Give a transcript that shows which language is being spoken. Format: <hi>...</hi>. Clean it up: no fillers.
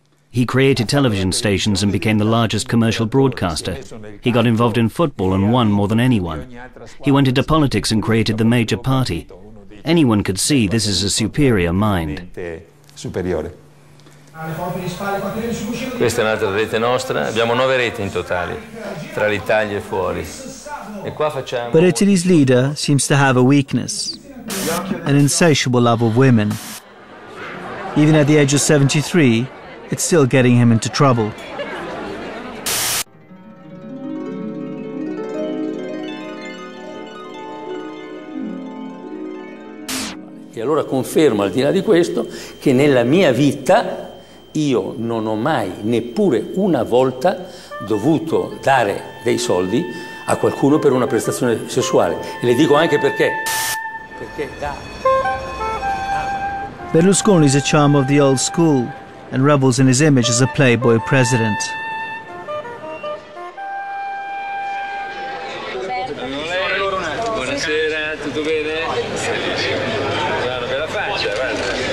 <en>He created television stations and became the largest commercial broadcaster. He got involved in football and won more than anyone. He went into politics and created the major party. Anyone could see this is a superior mind.</en> <it>Questa è un'altra rete nostra. Abbiamo 9 reti in totale, tra l'Italia e fuori. E qua facciamo.</it> <en>But Italy's leader seems to have a weakness, an insatiable love of women. Even at the age of 73, it's still getting him into trouble.</en> <it>E allora confermo, al di là di questo, che nella mia vita io non ho mai, neppure una volta, dovuto dare dei soldi a qualcuno per una prestazione sessuale. E le dico anche perché. Perché da.</it> <en>Berlusconi is a charm of the old school and revels in his image as a playboy president.</en> <it>Buonasera, tutto bene? Bella faccia, guarda.</it>